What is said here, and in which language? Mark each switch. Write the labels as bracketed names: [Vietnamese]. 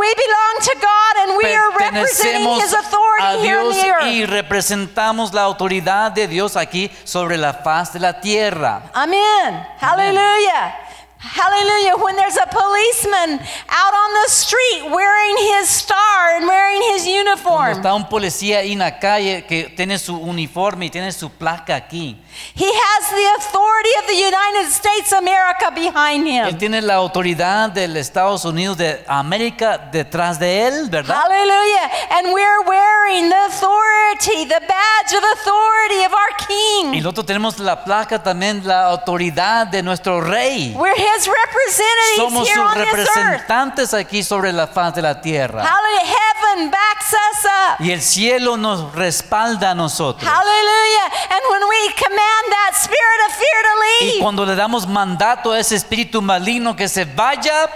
[English] We belong to God and we are representing His authority here on the earth. [Spanish] Y representamos la autoridad de Dios aquí sobre la faz de la tierra. [English] Amen. Hallelujah. Hallelujah. When there's a policeman out on the street wearing his star and wearing his uniform. [Spanish] Cuando está un policía ahí en la calle que tiene su uniforme y tiene su placa aquí. [English] He has the authority of the United States of America behind him. [Spanish] Él tiene la autoridad del Estados Unidos de América detrás de él, ¿verdad? [English] Hallelujah. And we're wearing the authority, the badge of authority of our king. [Spanish] Y nosotros tenemos la placa también, la autoridad de nuestro rey. [English] We're His representatives [Spanish] Somos [English] here on this earth. [Spanish] Somos sus representantes aquí sobre la faz de la tierra. [English] Hallelujah. Heaven backs us up. [Spanish] Y el cielo nos respalda a nosotros. [English] Hallelujah. And when we command that spirit of fear to leave. [Spanish] Y cuando le damos mandato a ese espíritu maligno que se vaya.